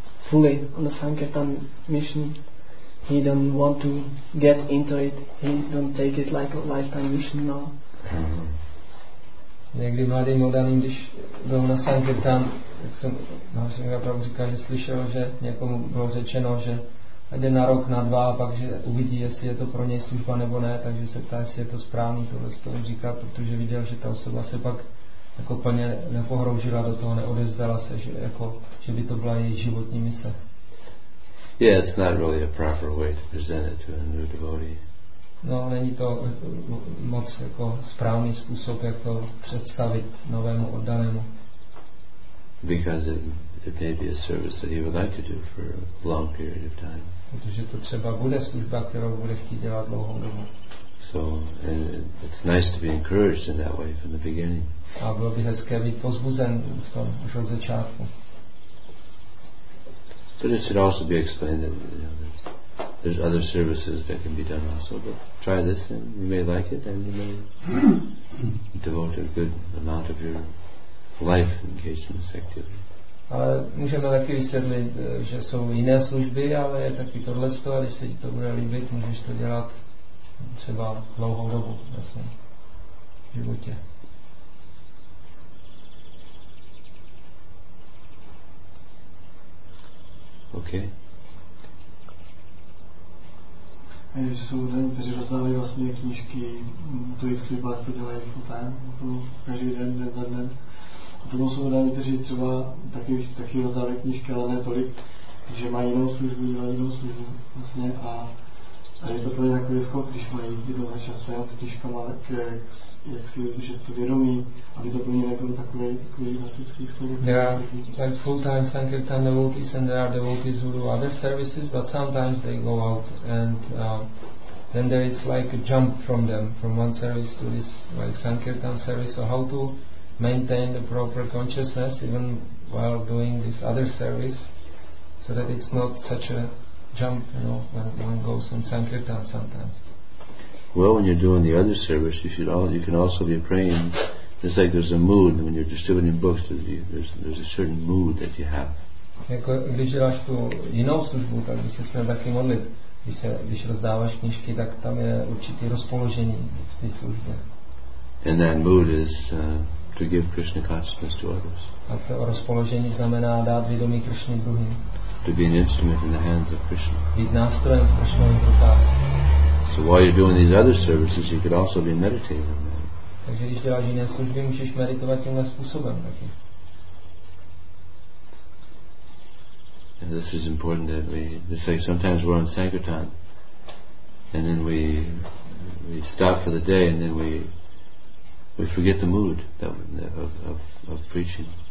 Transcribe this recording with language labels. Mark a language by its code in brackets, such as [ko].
[en] fully on the Sankirtan mission. He don't want to get into it. He don't take it like a lifetime mission now. [cs] Někdy mladým oddaným, když byl na Sankirtan, tak jsem Mahasangha Prabhu říkal, že slyšel, že někomu bylo řečeno, že jde na rok, na dva, a pak že uvidí, jestli je to pro něj služba nebo ne, takže se ptá, jestli je to správný tohle z toho říká, protože viděl, že ta osoba se pak jako plně nepohroužila do toho, neodevzdala se, že, jako, že by to byla její životní mise. [en] Yeah, it's not really a proper way to present it to a new devotee. [cs] No, není to moc jako správný způsob, jak to představit novému oddanému. [en] Because it may be a service that he would like to do for a long period of time. [cs] Protože to třeba bude služba, kterou bude chtít dělat dlouhou dobu. [en] So, and it's nice to be encouraged in that way from the beginning. [cs] A bylo by hezké být pozbuzen v tom už od začátku. [en] But it should also be explained that, you know, there's other services that can be done also. But try this and you may like it and you may devote a good amount of your life engaged in this activity. [cs] Ale můžeme taky vysvětlit, že jsou jiné služby, ale je taky tohle z toho, když se ti to bude líbit, můžeš to dělat třeba dlouhou dobu ve svém životě. [en] Okay. [cs] A je, že jsou lidé, kteří rozdávají vlastně knížky, to jich slibá, to dělají [en] full time, [cs] každý den, den za den. A potom jsou lidé, kteří třeba taky rozdávají knížky, ale ne tolik, že mají jinou službu, dělají jinou službu vlastně. A je to pro ně takový skok, když mají jedno za čas svého tetiškama, tak jak si udržet to vědomí, aby to pro ně nebylo takový drastický skok. [en] Yeah, like full time Sankirtan devotees, and there are devotees who do other services, but sometimes they go out and then there is like a jump from them, from one service to this like Sankirtan service. So how to maintain the proper consciousness even while doing this other service, so that it's not such a jump, you know, when one goes on Sankirtan sometimes. Well, when you're doing the other service, you can also be praying. It's like there's a mood when you're distributing books. There's a certain mood that you have. [cs] Jako když děláš tu jinou službu, tak by se směl taky modlit. Když rozdáváš knížky, tak tam je určitý rozpoložení v té službě. [en] And that mood is to give Krishna consciousness to others. [cs] A to rozpoložení znamená dát vědomí Krishna druhým. [en] To be an instrument in the hands of Krishna. [cs] Být nástrojem v Krishnových rukách. [en] So while you're doing these other services, you could also be meditating. [cs] Takže když děláš jiné služby, můžeš meditovat tímhle způsobem taky. [en] And this is important that we, it's like sometimes we're on Sankirtan and then we stop for the day and then we forget the mood of preaching.